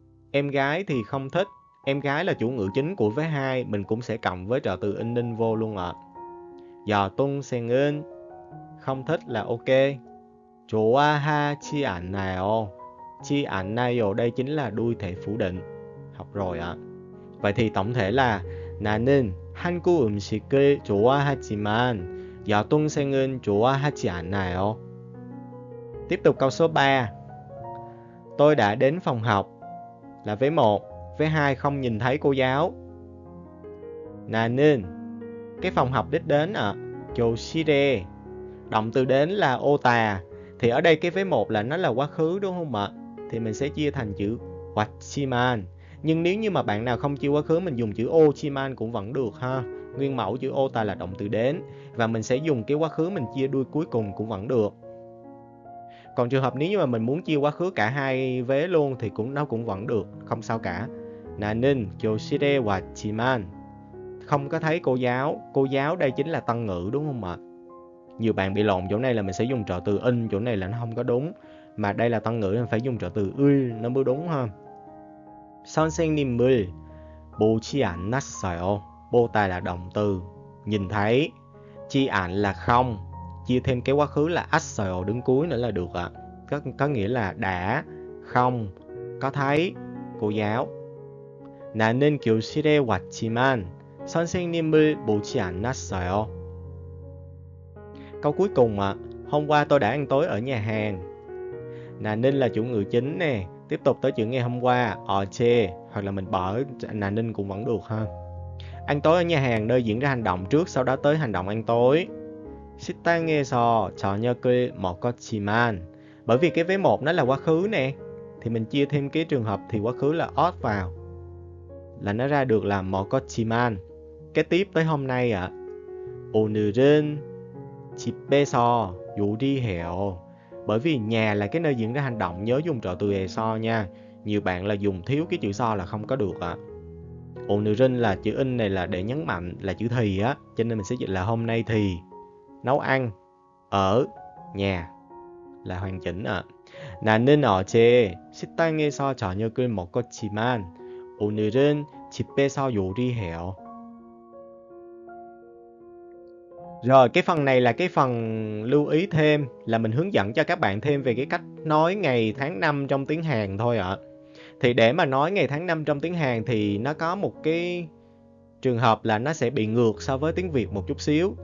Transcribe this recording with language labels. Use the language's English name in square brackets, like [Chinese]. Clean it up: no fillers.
[Vietnamese] Em gái thì không thích. Em gái là chủ ngữ chính của vế 2, mình cũng sẽ cộng với trợ từ ưn ninh vô luôn ạ. Giờ tung sen ưn, không thích là ok. Chua ha chi ảnh này ô. Chi ảnh này ô đây chính là đuôi thể phủ định. Học rồi ạ. Vậy thì tổng thể là [Korean] 나는 한국 음식을 좋아하지만 여동생은 좋아하지 않아요. [Vietnamese] Tiếp tục câu số 3. Tôi đã đến phòng học. Là vế 1. Vế 2 không nhìn thấy cô giáo. 나는 cái phòng học đích đến ạ. 교실에 động từ đến là 오다. Thì ở đây cái vế 1 là nó là quá khứ, đúng không ạ? Thì mình sẽ chia thành chữ 왔지만. Nhưng nếu như mà bạn nào không chịu quá khứ, mình dùng chữ ochiman cũng vẫn được ha. Nguyên mẫu chữ o ta là động từ đến. Và mình sẽ dùng cái quá khứ mình chia đuôi cuối cùng cũng vẫn được. Còn trường hợp nếu như mà mình muốn chia quá khứ cả hai vế luôn thì cũng nó cũng vẫn được, không sao cả. [Korean] 나는 교실에 왔지만. [Vietnamese] Không có thấy cô giáo. Cô giáo đây chính là tân ngữ, đúng không ạ? Nhiều bạn bị lộn chỗ này là mình sẽ dùng trợ từ in, chỗ này là nó không có đúng. Mà đây là tân ngữ nên phải dùng trợ từ ư nó mới đúng ha. [Korean] 선생님을 보지 않았어요. [Vietnamese] 보다 là động từ, nhìn thấy. 지 않 là không. Chia thêm cái quá khứ là 했어요 đứng cuối nữa là được ạ. Có nghĩa là đã, không, có thấy, cô giáo. [Korean] 나는 교실에 왔지만 선생님을 보지 않았어요. [Vietnamese] Câu cuối cùng ạ. Hôm qua tôi đã ăn tối ở nhà hàng. 나는 là chủ ngữ chính nè. Tiếp tục tới chữ ngày hôm qua, ở chê, hoặc là mình bỏ nà ninh cũng vẫn được ha. Ăn tối ở nhà hàng, nơi diễn ra hành động trước, sau đó tới hành động ăn tối. [Korean] 시땅에서 저녁을 먹었지만 [Vietnamese] bởi vì cái vế 1 nó là quá khứ nè thì mình chia thêm cái trường hợp thì quá khứ là ớt vào là nó ra được là 먹었지만 cái tiếp tới hôm nay ạ [Korean] 오늘은 집에서 요리해요 [Vietnamese] bởi vì nhà là cái nơi diễn ra hành động nhớ dùng trợ từ 에서 nha nhiều bạn là dùng thiếu cái chữ 서 là không có được ạ 오늘은 là chữ in này là để nhấn mạnh là chữ thì á cho nên mình sẽ dịch là hôm nay thì nấu ăn ở nhà là hoàn chỉnh ạ. [Korean] 나는 어제 식당에서 저녁을 먹었지만 오늘은 집에서 요리해요. [Vietnamese] Rồi cái phần này là cái phần lưu ý thêm là mình hướng dẫn cho các bạn thêm về cái cách nói ngày tháng năm trong tiếng Hàn thôi ạ. Thì để mà nói ngày tháng năm trong tiếng Hàn thì nó có một cái trường hợp là nó sẽ bị ngược so với tiếng Việt một chút xíu.